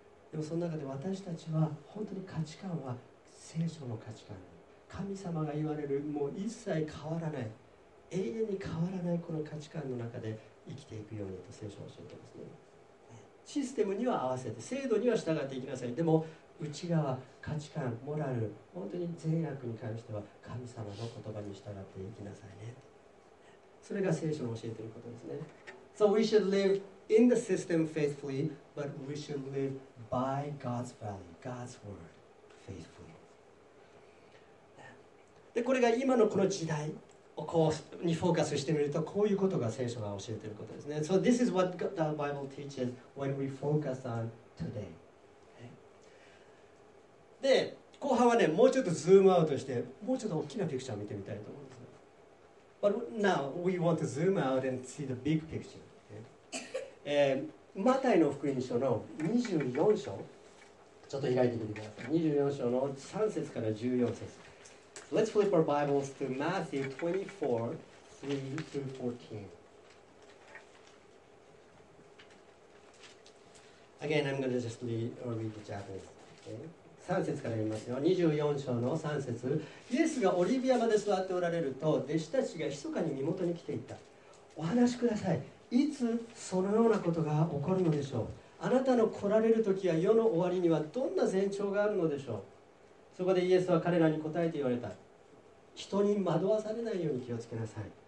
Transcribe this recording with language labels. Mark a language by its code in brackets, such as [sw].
[ja] でもその中で私たちは本当に価値観は聖書の価値観、神様が言われるもう一切変わらない、永遠に変わらないこの価値観の中で生きていくようにと聖書は教えてますね。システムには合わせて、制度には従っていきなさい。でも内側、価値観、モラル、本当に善悪に関しては神様の言葉に従っていきなさいね。それが聖書の教えていることですね。 [en] So we should liveIn the system faithfully, but we should live by God's value, God's word, faithfully. [ja] で、これが今のこの時代をこうにフォーカスしてみると、こういうことが聖書が教えていることですね。 [en] So this is what the Bible teaches when we focus on today. [ja] で、後半はね、もうちょっとズームアウトして、もうちょっと大きなピクチャーを見てみたいと思うんですね。 [en] But now we want to zoom out and see the big picture. [ja] マタイの福音書の24章ちょっと開いてみてください。 24章の3節から14節。 [en] Let's flip our Bibles to Matthew 24:3-14. Again, I'm going to just read the Japanese、okay? [ja] 3節から読みますよ。24章の3節。イエスがオリビア山で座っておられると、弟子たちが密かに身元に来ていった。お話しください、いつそのようなことが起こるのでしょう。あなたの来られる時や世の終わりにはどんな前兆があるのでしょう。そこでイエスは彼らに答えて言われた。人に惑わされないように気をつけなさい。